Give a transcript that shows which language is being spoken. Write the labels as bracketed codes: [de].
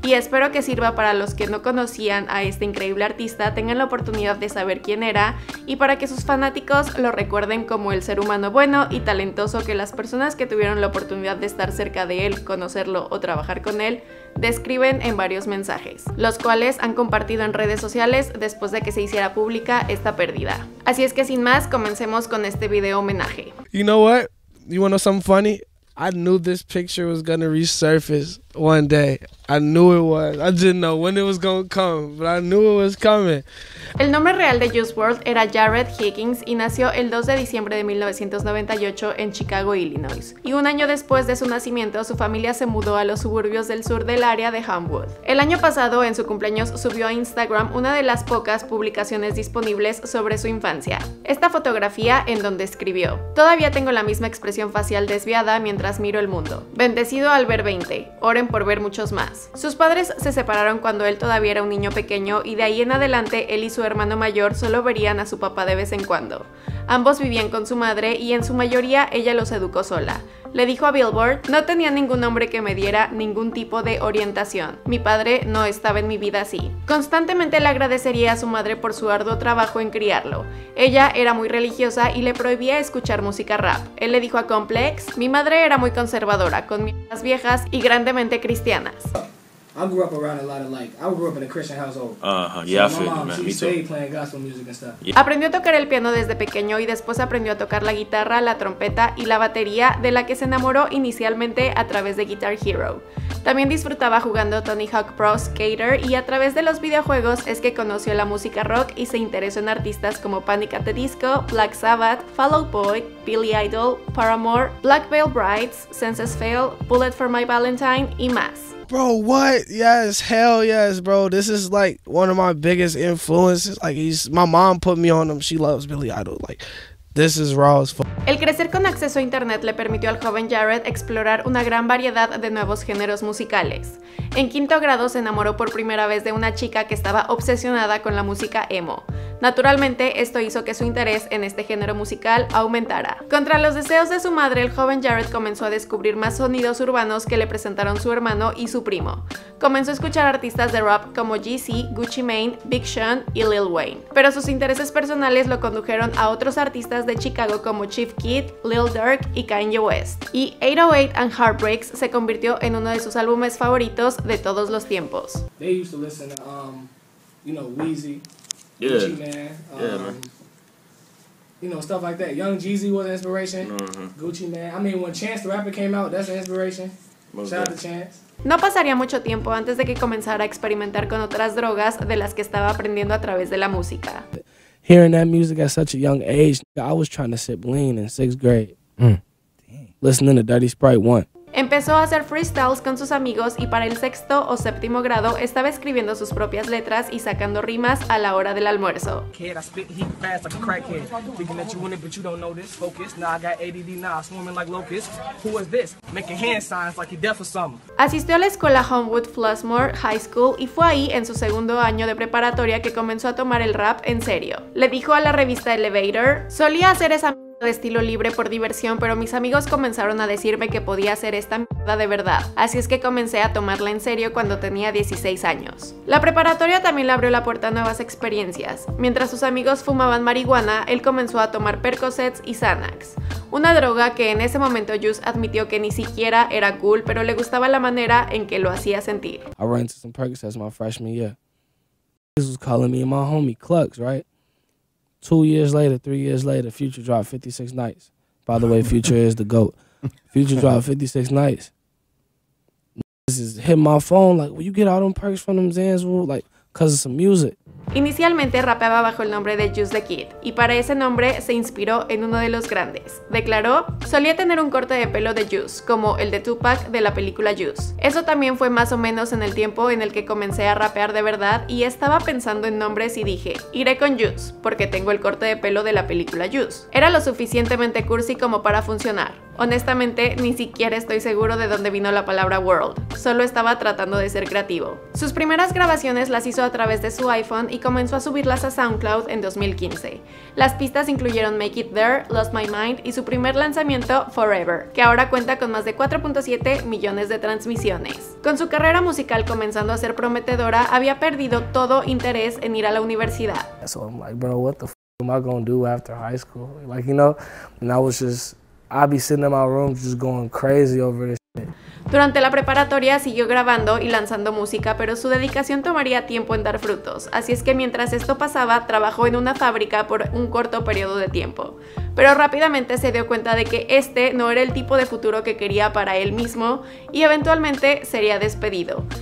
[es] Y espero que sirva para los que no conocían a este increíble artista, tengan la oportunidad de saber quién era y para que sus fanáticos lo recuerden como el ser humano bueno y talentoso que las personas que tuvieron la oportunidad de estar cerca de él, conocerlo o trabajar con él, describen en varios mensajes, los cuales han compartido en redes sociales después de que se hiciera pública esta pérdida. Así es que sin más, comencemos con este video homenaje. [en] You know what? You want to know something funny? I knew this picture was going to resurface one day. I knew it was. I didn't know when it was going to come, but I knew it was coming. [es] El nombre real de Juice WRLD era Jared Higgins y nació el 2 de diciembre de 1998 en Chicago, Illinois. Y un año después de su nacimiento, su familia se mudó a los suburbios del sur del área de Homewood. El año pasado, en su cumpleaños, subió a Instagram una de las pocas publicaciones disponibles sobre su infancia. Esta fotografía en donde escribió: "Todavía tengo la misma expresión facial desviada mientras miro el mundo. Bendecido al ver 20. Oren por ver muchos más". Sus padres se separaron cuando él todavía era un niño pequeño y de ahí en adelante él y su hermano mayor solo verían a su papá de vez en cuando. Ambos vivían con su madre y en su mayoría ella los educó sola. Le dijo a Billboard: "No tenía ningún hombre que me diera ningún tipo de orientación. Mi padre no estaba en mi vida así". Constantemente le agradecería a su madre por su arduo trabajo en criarlo. Ella era muy religiosa y le prohibía escuchar música rap. Él le dijo a Complex: "Mi madre era muy conservadora, con miras viejas y grandemente cristianas". [en] I grew up around a lot of, like, I grew up in a Christian household. Yeah, so my mom, she stayed playing gospel music and stuff. Yeah. [es] Aprendió a tocar el piano desde pequeño y después aprendió a tocar la guitarra, la trompeta y la batería, de la que se enamoró inicialmente a través de Guitar Hero. También disfrutaba jugando Tony Hawk Pro Skater y a través de los videojuegos es que conoció la música rock y se interesó en artistas como Panic at the Disco, Black Sabbath, Fall Out Boy, Billy Idol, Paramore, Black Veil Brides, Senses Fail, Bullet for My Valentine y más. [en] Bro, what? Yes, hell yes, bro. This is like one of my biggest influences. Like, my mom put me on him. She loves Billy Idol. Like, this is raw as fuck. [es] El crecer con acceso a internet le permitió al joven Jared explorar una gran variedad de nuevos géneros musicales. En quinto grado se enamoró por primera vez de una chica que estaba obsesionada con la música emo. Naturalmente, esto hizo que su interés en este género musical aumentara. Contra los deseos de su madre, el joven Jared comenzó a descubrir más sonidos urbanos que le presentaron su hermano y su primo. Comenzó a escuchar artistas de rap como GZ, Gucci Mane, Big Sean y Lil Wayne. Pero sus intereses personales lo condujeron a otros artistas de Chicago como Chief Keef, Lil Durk y Kanye West. Y 808 and Heartbreaks se convirtió en uno de sus álbumes favoritos de todos los tiempos. [en] They used to listen to, you know, Weezy. Yeah, man. You know, stuff like that. Young Jeezy was an inspiration. Mm-hmm. Gucci Mane. I mean, when Chance the Rapper came out, that's an inspiration. Most Shout out to Chance. [es] No pasaría mucho tiempo antes de que comenzara a experimentar con otras drogas de las que estaba aprendiendo a través de la música. [en] Hearing that music at such a young age, I was trying to sip lean in sixth grade. Listening to Dirty Sprite 1. [es] Empezó a hacer freestyles con sus amigos y para el sexto o séptimo grado estaba escribiendo sus propias letras y sacando rimas a la hora del almuerzo. [en] Kid, I spit heat fast like a crackhead. Thinking that you in it, but you don't know this. Focus, now I got ADD, now I'm swimming like locusts. Who is this? Making hand signs like you're deaf or something. [es] Asistió a la escuela Homewood Flossmoor High School y fue ahí, en su segundo año de preparatoria, que comenzó a tomar el rap en serio. Le dijo a la revista Elevator, solía hacer esa de estilo libre por diversión, pero mis amigos comenzaron a decirme que podía hacer esta mierda de verdad, así es que comencé a tomarla en serio cuando tenía 16 años. La preparatoria también le abrió la puerta a nuevas experiencias. Mientras sus amigos fumaban marihuana, él comenzó a tomar Percocets y Xanax, una droga que en ese momento Juice admitió que ni siquiera era cool, pero le gustaba la manera en que lo hacía sentir. [en] I ran into some Percocets my freshman year. This was calling me and my homie Clux, right? 2 years later, 3 years later, Future dropped 56 Nights. By the way, Future is the GOAT. Future dropped 56 Nights. This is hit my phone, like, will you get all them perks from them Zans, bro? Like, because of some music. [es] Inicialmente rapeaba bajo el nombre de Juice the Kid, y para ese nombre se inspiró en uno de los grandes. Declaró, solía tener un corte de pelo de Juice, como el de Tupac de la película Juice. Eso también fue más o menos en el tiempo en el que comencé a rapear de verdad y estaba pensando en nombres y dije, iré con Juice, porque tengo el corte de pelo de la película Juice. Era lo suficientemente cursi como para funcionar. Honestamente, ni siquiera estoy seguro de dónde vino la palabra world. Solo estaba tratando de ser creativo. Sus primeras grabaciones las hizo a través de su iPhone y comenzó a subirlas a SoundCloud en 2015. Las pistas incluyeron Make It There, Lost My Mind y su primer lanzamiento, Forever, que ahora cuenta con más de 4.7 millones de transmisiones. Con su carrera musical comenzando a ser prometedora, había perdido todo interés en ir a la universidad. [en] So I'm like, bro, what the f*** am I gonna do after high school? Like, you know, and I was just... I'd be sitting in my room just going crazy over this shit. [es] Durante la preparatoria siguió grabando y lanzando música, pero su dedicación tomaría tiempo en dar frutos. Así es que mientras esto pasaba, trabajó en una fábrica por un corto periodo de tiempo. Pero rápidamente se dio cuenta de que este no era el tipo de futuro que quería para él mismo y eventualmente sería despedido.